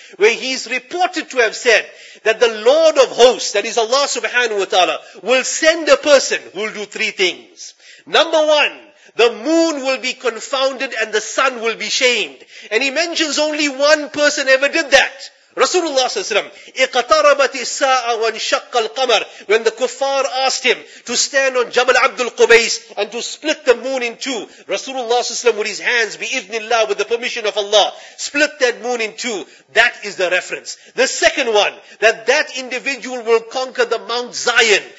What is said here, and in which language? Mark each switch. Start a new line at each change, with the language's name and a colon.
English: Where he is reported to have said that the Lord of hosts, that is Allah subhanahu wa ta'ala, will send a person who will do three things. Number one, the moon will be confounded and the sun will be shamed. And he mentions only one person ever did that.
Arabic: Rasulullah ﷺ, اِقَتَرَبَتِ السَّاءَ وَانْشَقَّ الْقَمَرِ.
English: When the kuffar asked him to stand on Jabal Abdul Qubays and to split the moon in two, Rasulullah ﷺ with his hands, bi-idhnillah, with the permission of Allah, split that moon in two. That is the reference. The second one, that individual will conquer the Mount Zion.